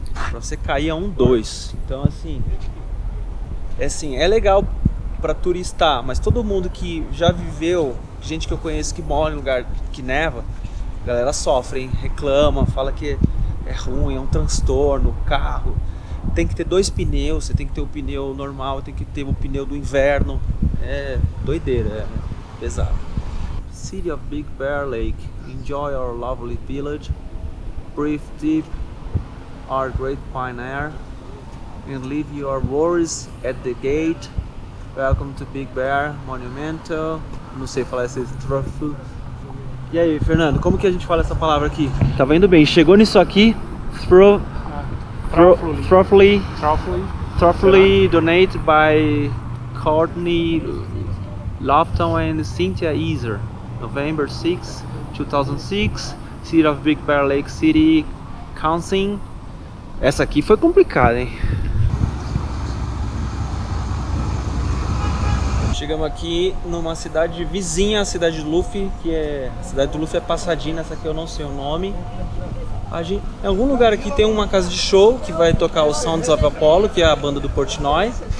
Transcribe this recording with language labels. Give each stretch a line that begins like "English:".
Portuguese: Pra você cair é um, dois. Então, assim... É assim, é legal pra turistar, mas todo mundo que já viveu, gente que eu conheço que mora em lugar que neva, a galera sofre, hein? Reclama, fala que é ruim, é um transtorno, carro... Tem que ter dois pneus, você tem que ter o pneu normal, tem que ter o pneu do inverno. É doideira, é pesado.
English: City of Big Bear Lake, enjoy our lovely village. Breathe deep our great pine air and leave your worries at the gate. Welcome to Big Bear Monumento.
Portuguese: Não sei falar esse troço. E aí, Fernando, como que a gente fala essa palavra aqui? Tá vendo bem, chegou nisso aqui,
English: through... Truffly. Truffly donated by Courtney Lofton and Cynthia Easer. November 6, 2006. City of Big Bear Lake City Council.
Portuguese: Essa aqui foi complicada, hein? Chegamos aqui numa cidade vizinha à cidade de Luffy, que é. A cidade do Luffy é Pasadena, essa aqui eu não sei o nome. A gente, em algum lugar aqui tem uma casa de show que vai tocar o Sounds of Apollo, que é a banda do Portnoy.